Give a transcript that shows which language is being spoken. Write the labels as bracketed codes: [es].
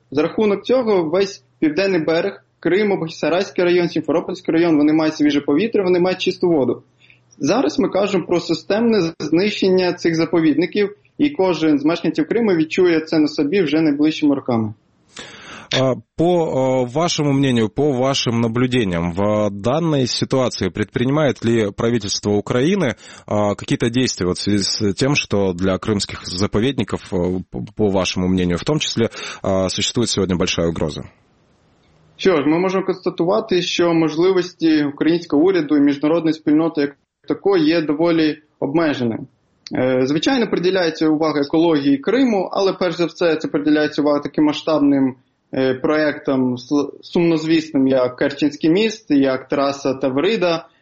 [uk] За рахунок цього весь південний берег, Криму, Бахчисарайський район, Сімферопольський район, вони мають свіже повітря, вони мають чисту воду. Зараз ми кажемо про системне знищення цих заповідників, і кожен з мешканців Криму відчує це на собі вже найближчими роками. [ru] По вашему мнению, по вашим наблюдениям, в данной ситуации предпринимает ли правительство Украины какие-то действия вот в связи с тем, что для крымских заповедников, по вашему мнению, в том числе, существует сегодня большая угроза? [uk] Що ж, ми можемо констатувати, що можливості українського уряду і міжнародної спільноти як такої є доволі обмеженими. Звичайно, приділяється увага екології Криму, але перш за все це приділяється увага таким масштабним проєктам, сумнозвісним, як Керченський міст, як траса Таврида.